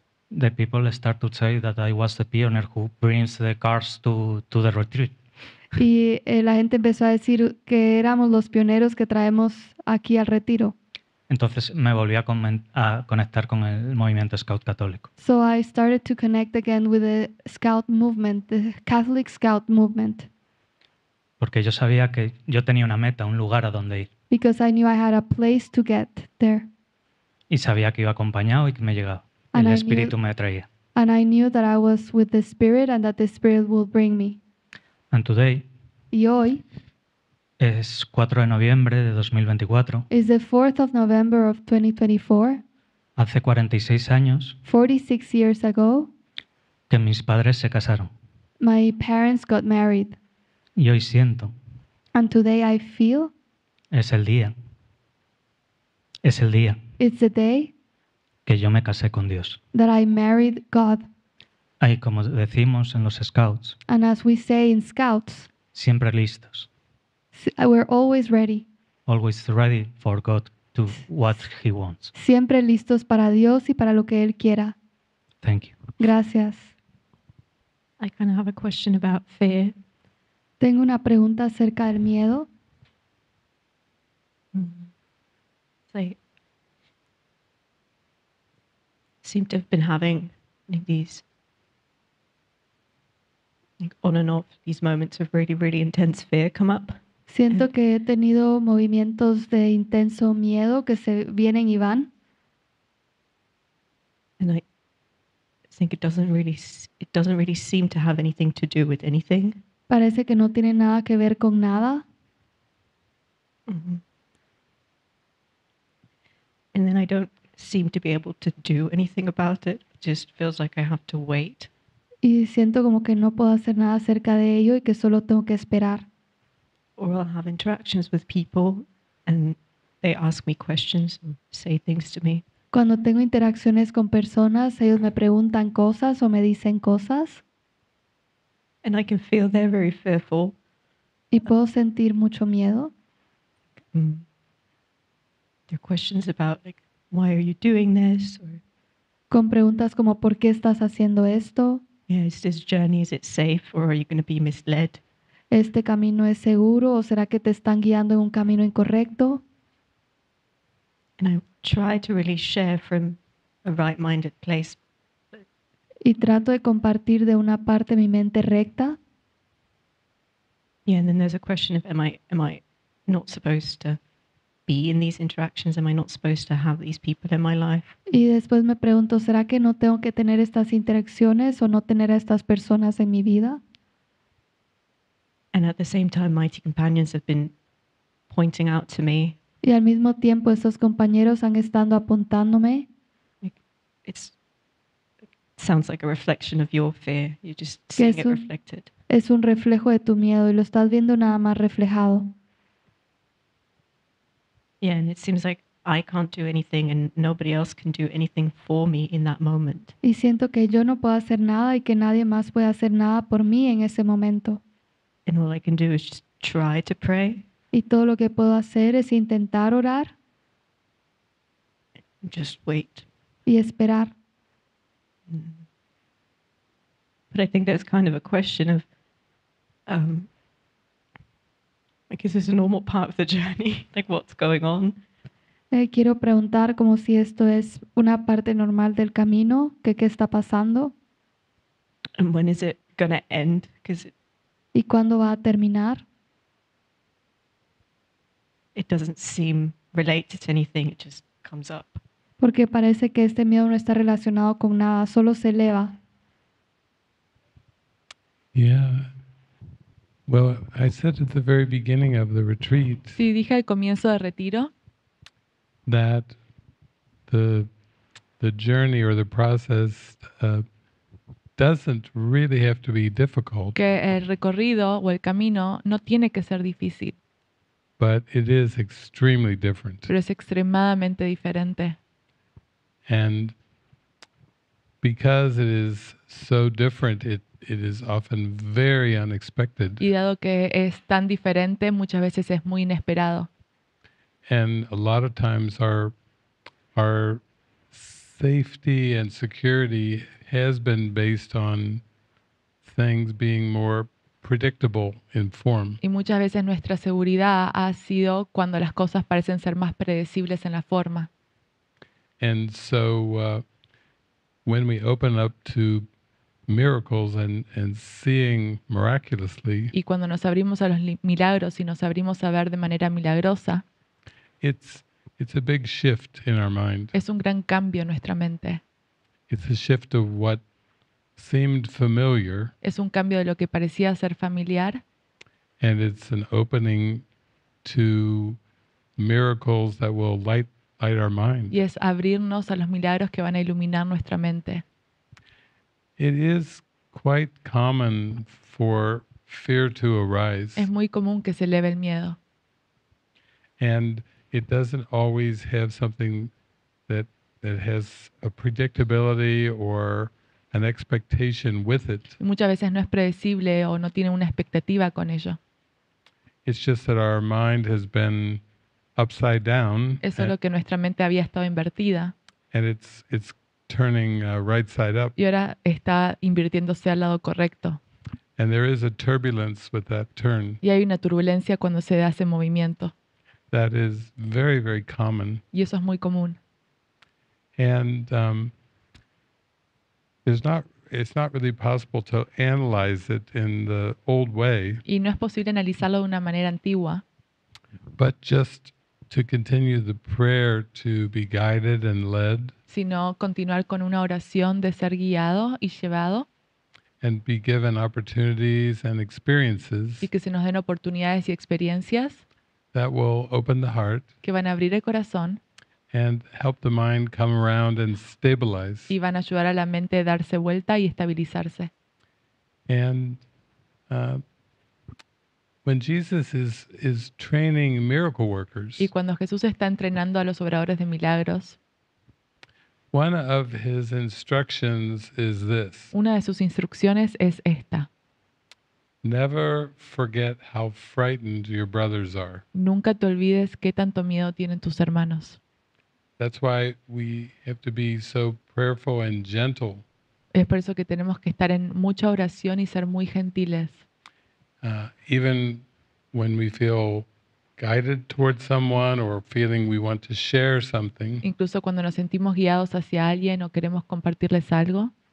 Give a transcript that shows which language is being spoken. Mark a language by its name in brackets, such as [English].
[English] the people start to say that I was the pioneer who brings the cars to the retreat. [Spanish] Y la gente empezó a decir que éramos los pioneros que traemos aquí al retiro. Entonces me volví a conectar con el movimiento scout católico. [English] So I started to connect again with the scout movement, the Catholic scout movement. [Spanish] Porque yo sabía que yo tenía una meta, un lugar a donde ir. [English] Because I knew I had a place to get there. [Spanish] Y sabía que iba acompañado y que me llegaba. El Espíritu me traía. [English] And I knew that I was with the Spirit and that the Spirit will bring me. And today. [Spanish] Y hoy. Es 4 de noviembre de 2024. [English] Is the 4th of November of 2024. [Spanish] Hace 46 años. [English] 46 years ago. [Spanish] Que mis padres se casaron. [English] My parents got married. [Spanish] Y hoy siento. [English] And today I feel. [Spanish] Es el día. [English] It's the day [Spanish] que yo me casé con Dios. [English] That I married God. [Spanish] Ahí, como decimos en los scouts. [English] And as we say in scouts. [Spanish] Siempre listos. [English] We're always ready. Always ready for God to what He wants. [Spanish] Siempre listos para Dios y para lo que Él quiera. [English] Thank you. [Spanish] Gracias. [English] I kind of have a question about fear. [Spanish] Tengo una pregunta acerca del miedo. Sí. [English] Seem to have been having on and off these moments of really, really intense fear come up. [Spanish] Siento que he tenido movimientos de intenso miedo que se vienen y van. [English] And I think it doesn't really seem to have anything to do with anything. [Spanish] Parece que no tiene nada que ver con nada. Mm-hmm. [English] And then I don't seem to be able to do anything about it. It just feels like I have to wait. [Spanish] Y siento como que no puedo hacer nada acerca de ello y que solo tengo que esperar. [English] or I'll have interactions with people and they ask me questions and say things to me. [Spanish] Cuando tengo interacciones con personas, ellos me preguntan cosas o me dicen cosas. [English] And I can feel they're very fearful. [Spanish] Y puedo sentir mucho miedo. [English] Their questions about, like, why are you doing this? Or, [Spanish] con preguntas como, ¿por qué estás haciendo esto? [English] Yeah, is this journey, is it safe, or are you going to be misled? [Spanish] ¿Este camino es seguro, o será que te están guiando en un camino incorrecto? [English] And I try to really share from a right-minded place. [Spanish] Y trato de compartir de una parte mi mente recta. [English] Yeah, and then there's a question of, am I not supposed to be in these interactions? Am I not supposed to have these people in my life? [Spanish] Y después me pregunto, ¿será que no tengo que tener estas interacciones o no tener a estas personas en mi vida? [English] And at the same time, mighty companions have been pointing out to me. [Spanish] Y al mismo tiempo, esos compañeros han estado apuntándome. [English] Sounds like a reflection of your fear. You're just seeing it reflected. [Spanish] Es un reflejo de tu miedo y lo estás viendo nada más reflejado. [English] Yeah, and it seems like I can't do anything and nobody else can do anything for me in that moment. [Spanish] Y siento que yo no puedo hacer nada y que nadie más puede hacer nada por mí en ese momento. [English] And all I can do is just try to pray. [Spanish] Y todo lo que puedo hacer es intentar orar. [English] Just wait. [Spanish] Y esperar. [English] But I think that's kind of a question of, like, is this a normal part of the journey? Like, what's going on? [Spanish] Quiero preguntar como si esto es una parte normal del camino, que qué está pasando. [English] And when is it going to end? [Spanish] ¿Y cuándo va a terminar? [English] It doesn't seem related to anything, it just comes up. [Spanish] Porque parece que este miedo no está relacionado con nada, solo se eleva. [English] Yeah. Well, I said at the very beginning of the retreat. [Spanish] Sí, dije al comienzo del retiro. [English] That the journey or the process doesn't really have to be difficult. [Spanish] Que el recorrido o el camino no tiene que ser difícil. [English] But it is extremely different. [Spanish] Pero es extremadamente diferente. [English] And because it is so different, it is often very unexpected. [Spanish] Y dado que es tan diferente, muchas veces es muy inesperado. [English] And a lot of times our safety and security has been based on things being more predictable in form. [Spanish] Y muchas veces nuestra seguridad ha sido cuando las cosas parecen ser más predecibles en la forma. [English] And so when we open up to miracles and seeing miraculously, [Spanish] y cuando nos abrimos a los milagros y nos abrimos a ver de manera milagrosa, [English] it's a big shift in our mind. [Spanish] Es un gran cambio en nuestra mente. [English] It's a shift of what seemed familiar. [Spanish] Es un cambio de lo que parecía ser familiar. [English] And it's an opening to miracles that will light our mind. [Spanish] Y es abrirnos a los milagros que van a iluminar nuestra mente. [English] It is quite common for fear to arise. [Spanish] Es muy común que se eleve el miedo. [English] And it doesn't always have something that has a predictability or an expectation with it. [Spanish] Y muchas veces no es predecible o no tiene una expectativa con ello. [English] It's just that our mind has been upside down. [Spanish] Es solo que nuestra mente había estado invertida. [English] And it's turning right side up. [Spanish] Y ahora está invirtiéndose al lado correcto. [English] And there is a turbulence with that turn. [Spanish] Y hay una turbulencia cuando se da ese movimiento. [English] That is very, very common. [Spanish] Y eso es muy común. [English] And it's not really possible to analyze it in the old way. [Spanish] Y no es posible analizarlo de una manera antigua. [English] But just to continue the prayer to be guided and led, [Spanish] sino continuar con una oración de ser guiado y llevado, [English] and be given opportunities and experiences, [Spanish] y que se nos den oportunidades y experiencias, [English] that will open the heart, [Spanish] que van a abrir el corazón, [English] and help the mind come around and stabilize, [Spanish] y van a ayudar a la mente a darse vuelta y estabilizarse. [English] And When Jesus is training miracle workers, [Spanish] y cuando Jesús está entrenando a los obradores de milagros, [English] one of his instructions is this. [Spanish] Una de sus instrucciones es esta. [English] Never forget how frightened your brothers are. [Spanish] Nunca te olvides qué tanto miedo tienen tus hermanos. [English] That's why we have to be so prayerful and gentle. [Spanish] Es por eso que tenemos que estar en mucha oración y ser muy gentiles. [English] Even when we feel guided towards someone or feeling we want to share something. [Spanish] Incluso cuando nos sentimos guiados hacia alguien o queremos compartirles algo.